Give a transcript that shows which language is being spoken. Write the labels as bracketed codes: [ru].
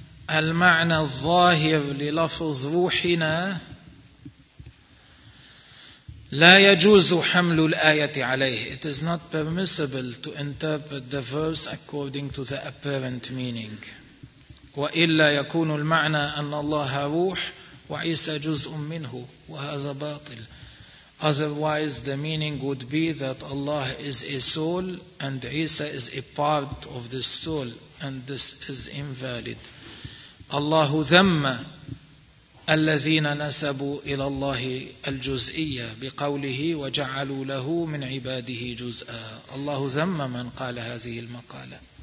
[ar] المعنى الظاهر للفظ روحنا لا يجوز حمل الآية عليه. [en] It is not permissible to interpret the verse according to the apparent meaning. [ar] وإلا يكون المعنى أن الله روح وعيسى جزء منه وهذا باطل. [en] Otherwise the meaning would be that Allah is a soul and Isa is a part of this soul and this is invalid. [ar] الله ذم الذين نسبوا إلى الله الجزئية بقوله وجعلوا له من عباده جزءا. الله ذم من قال هذه المقالة.